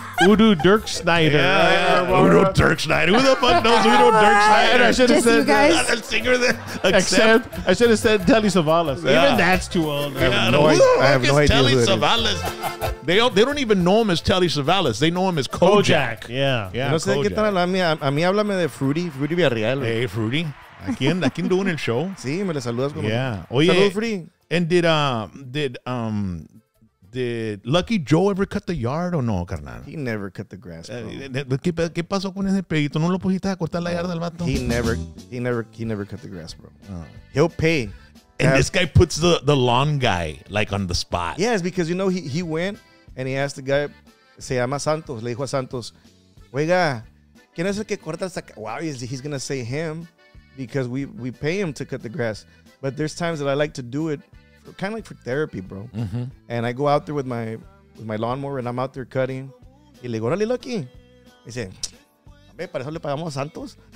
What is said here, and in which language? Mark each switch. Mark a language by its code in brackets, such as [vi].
[en] Udo Dirk Snider. Yeah. Udo Dirk Snider. Who the fuck knows Udo Dirk Snider? I should have said, guys. Singer that, except I should have said Telly Savalas. Yeah. Even that's too old. I have no idea who Telly Savalas is. They don't even know him as Telly Savalas. They know him as Kojak. Kojak. Yeah. [es] No sé qué tal. A mí háblame de Fruity. Fruity Villarreal. Hey, Fruity. ¿A quién doing el show? Sí, me le saludas. [en] Yeah. [es] Oye. Saludos, Fruity. [en] And did Lucky Joe ever cut the yard or no, carnal? He never cut the grass, bro. [es] ¿Qué pasó con ese pedito? ¿No lo pusiste a cortar la yarda al vato? [en] He never cut the grass, bro. He'll pay. And this guy puts the lawn guy, like, on the spot. Yeah, it's because, you know, he went and he asked the guy, [es] se llama Santos, le dijo a Santos, oiga, ¿quién es el que corta esta? [en] Wow, he's going to say him because we pay him to cut the grass. But there's times that I like to do it kind of like for therapy, bro. Mm-hmm. And I go out there with my lawnmower and I'm out there cutting. [es] Y le digo, órale, Lucky. Y dice, hombre, para eso le pagamos a Santos.